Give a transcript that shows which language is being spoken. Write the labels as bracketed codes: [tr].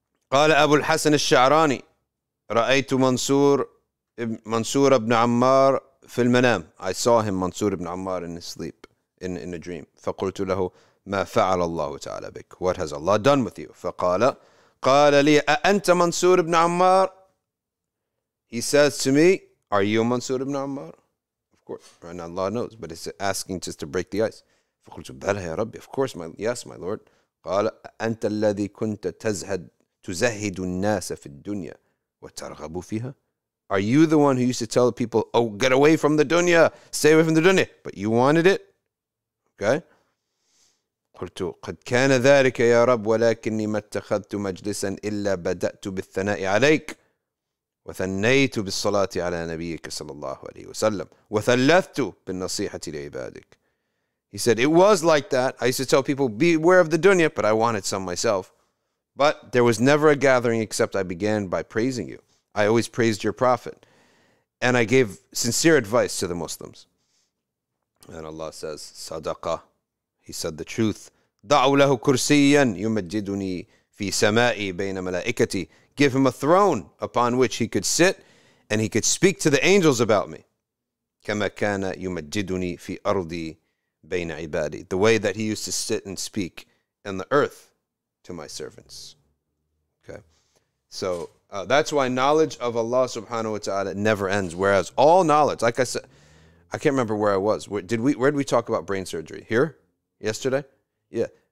[ar] قال أبو الحسن الشعراني رأيت Mansur ibn Ammar في المنام. [en] I saw him, Mansur ibn Ammar, in his sleep. [ar] In a dream. فَقُلْتُ لَهُ مَا فَعَلَ اللَّهُ تَعَالَى بِكُ. [en] What has Allah done with you? [ar] فَقَالَ قَالَ لِي أَأَنْتَ مَنْسُورِ بْنَ عَمَّارِ. [en] He says to me, are you Mansur ibn Ammar? Of course, right now Allah knows, but it's asking just to break the ice. [ar] فَقُلْتُ بَلَا يَا رَبِّ. Of course, my Lord. قَالَ أَأَنْتَ الَّذِي كُنْتَ تُزَهِدُ النَّاسَ فِي الدُّنْيَا وَتَرْغَبُ فِيهَا. [en] Are you the one who used to tell people, oh, get away from the dunya, stay away from the dunya, but you wanted it? Okay. [ar] قلت قد كان ذلك يا رب ولكني ما اتخذت مجلسا إلا بدأت بالثناء عليك وثنيت بالصلاة على نبيك صلى الله عليه وسلم وثلثت بالنصيحة لعبادك. [en] He said, it was like that. I used to tell people, beware of the dunya, but I wanted some myself. But there was never a gathering except I began by praising you. I always praised your prophet. And I gave sincere advice to the Muslims. And Allah says, sadaqah. He said the truth. [ar] دعو له كرسياً يمجدني في سمائي بين ملائكتي. [en] Give him a throne upon which he could sit and he could speak to the angels about me. [ar] كما كان يمجدني في أرضي بين عبادي. [en] The way that he used to sit and speak in the earth to my servants. Okay. So that's why knowledge of Allah subhanahu wa ta'ala never ends. Whereas all knowledge, like I said, I can't remember where I was. Where did we talk about brain surgery? Here? Yesterday? Yeah.